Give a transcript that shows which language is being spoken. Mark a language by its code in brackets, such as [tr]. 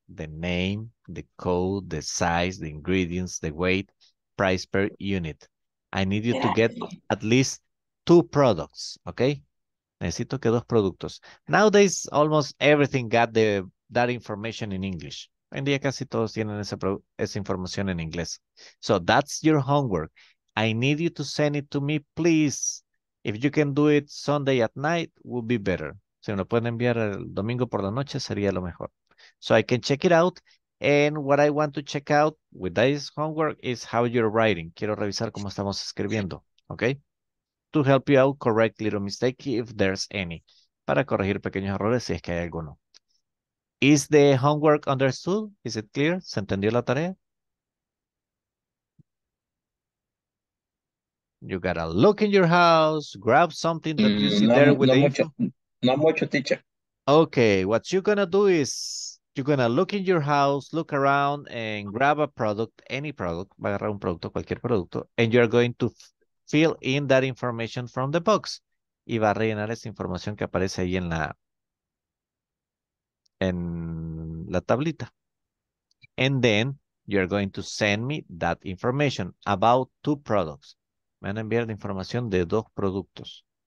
[en] the name, the code, the size, the ingredients, the weight, price per unit. I need you to get at least two products, okay? Necesito que dos productos. Nowadays, almost everything got that information in English. [es] En día casi todos tienen esa información en inglés. [en] So that's your homework. I need you to send it to me, please. If you can do it Sunday at night, would be better. [es] Si me lo pueden enviar el domingo por la noche, sería lo mejor. [en] So I can check it out. And what I want to check out with this homework is how you're writing. Quiero revisar cómo estamos escribiendo, okay? To help you out, correct little mistake if there's any. [es] Para corregir pequeños errores si es que hay alguno. [en] Is the homework understood? Is it clear? ¿Se entendió la tarea? You gotta look in your house, grab something that you see there with the info. [es] No mucho, teacher. [en] Okay, what you're gonna do is you're gonna look in your house, look around, and grab a product, any product, va a agarrar un producto, cualquier producto, and you're going to fill in that information from the box. [es] Y va a rellenar esa información que aparece ahí en la tablita. [en] And then you're going to send me that information about two products. [es] Me van a enviar la información de dos productos.